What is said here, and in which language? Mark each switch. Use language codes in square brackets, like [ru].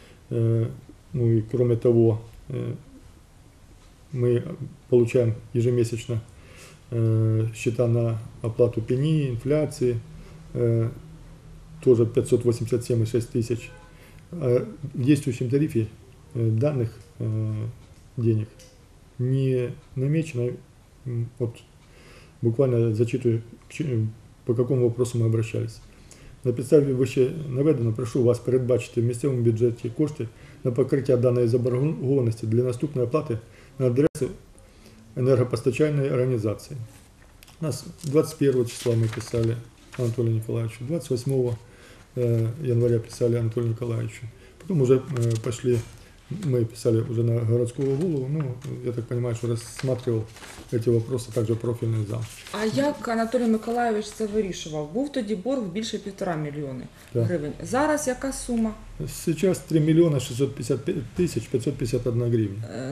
[ru] 000, ну и кроме того, мы получаем ежемесячно счета на оплату пени, инфляции, тоже 587 600 000. В действующем тарифе данных денег не намечено. Вот буквально зачитываю, по какому вопросу мы обращались. [uk] На представе выше наведено, прошу вас передбачити в місцевому бюджеті кошти на покриття даної заборгованості для наступної оплати на адресу енергопостачальної організації. У нас 21 числа ми писали Анатолію Николаевичу, 28 января писали Анатолію Николаевичу. Потім вже пішли, ми писали вже на городського голову, ну, я так розумію, що розсматривав ці питання також профільний зал. А як Анатолій Миколайович це вирішував? Був тоді борг більше 1,5 мільйона гривень. Зараз яка сума? Зараз 3 655 551 гривня.